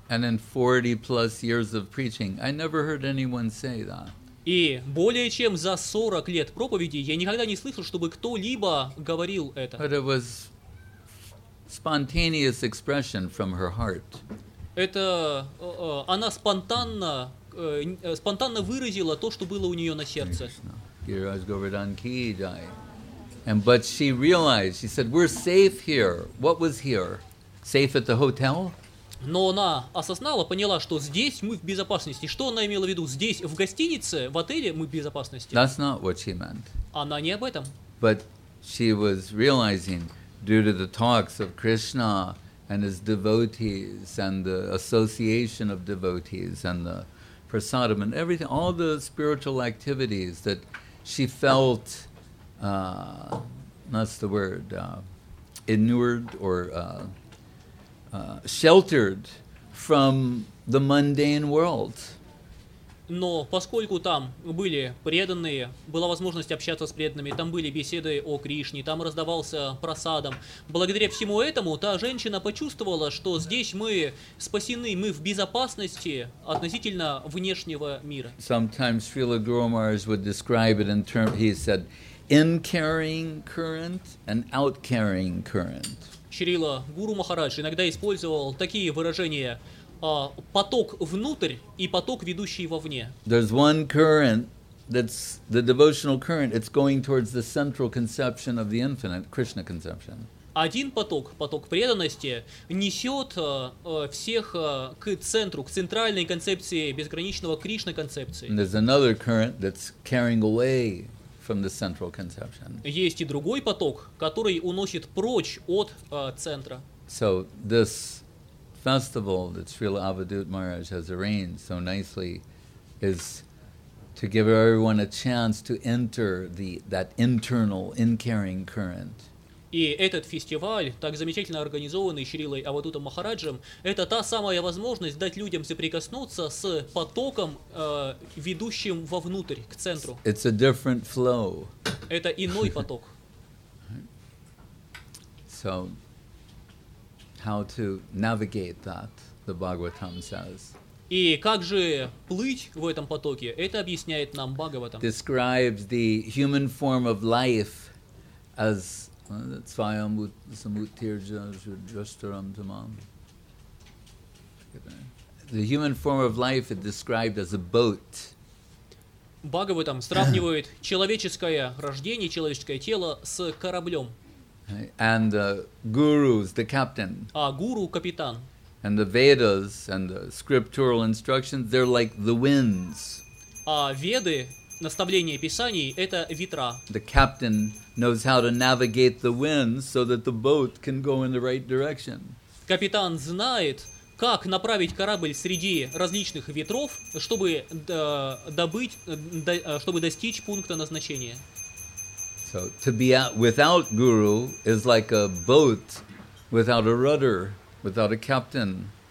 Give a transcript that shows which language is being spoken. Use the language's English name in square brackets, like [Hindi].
[English] And in 40-plus years of preaching, I never heard anyone say that. [Russian] И более чем за 40 лет проповеди я никогда не слышал, чтобы кто-либо говорил это. [English] But it was spontaneous expression from her heart. [Russian] Это она спонтанно выразила то, что было у нее на сердце. [Hindi] Giriraj Govardhan ki jai. [English] And but she realized, she said, we're safe here. What was here? Safe at the hotel? [Russian] Но она осознала, поняла, что здесь мы в безопасности. Что она имела в виду? Здесь, в гостинице, в отеле мы в безопасности. [English] That's not what she meant. [Russian] Она не об этом. [English] But she was realizing, due to the talks of Krishna and his devotees and the association of devotees and the prasadam and everything, all the spiritual activities that she felt, inured or sheltered from the mundane world. [Russian] Но поскольку там были преданные, была возможность общаться с преданными, там были беседы о Кришне, там раздавался прасадам. Благодаря всему этому та женщина почувствовала, что здесь мы спасены, мы в безопасности относительно внешнего мира. [English] Sometimes Srila Guru Maharaj would describe it in terms, he said, in-carrying current and out-carrying current. [Russian] Шрила Гуру Махарадж иногда использовал такие выражения. Поток внутрь и поток, ведущий вовне. [English] There's one current that's the devotional current. It's going towards the central conception of the infinite, Krishna conception. [Russian] Один поток, поток преданности, несет всех к центру, к центральной концепции безграничного Кришна концепции. [English] There's another current that's carrying away from the central conception. [Russian] Есть и другой поток, который уносит прочь от центра. [English] So this festival that Srila Avadhut Maharaj has arranged so nicely is to give everyone a chance to enter that internal, in-caring current. [Russian] И этот фестиваль, так замечательно организованный Шрилой Авадутом Махараджем, это та самая возможность дать людям соприкоснуться с потоком, ведущим вовнутрь, к центру. [English] It's a different flow. [Russian] Это иной поток. [English] So how to navigate that, the Bhagavatam says. [Russian] И как же плыть в этом потоке? Это объясняет нам Бхагаватам. [English] Describes the human form of life as [Sanskrit] Svayambhu-samuttirja-sudrashtaram-tamam. [English] The human form of life is described as a boat. [Russian] Бхагаватам сравнивает человеческое рождение, человеческое тело с кораблем. [English] And the guru is the captain. [Russian] А гуру – капитан. [English] And the Vedas and the scriptural instructions, they're like the winds. [Russian] А веды, наставления писаний – это ветра. [English] The captain knows how to navigate the winds so that the boat can go in the right direction. [Russian] Капитан знает, как направить корабль среди различных ветров, чтобы чтобы достичь пункта назначения. [English] So to be without guru is like a boat without a rudder, without a captain.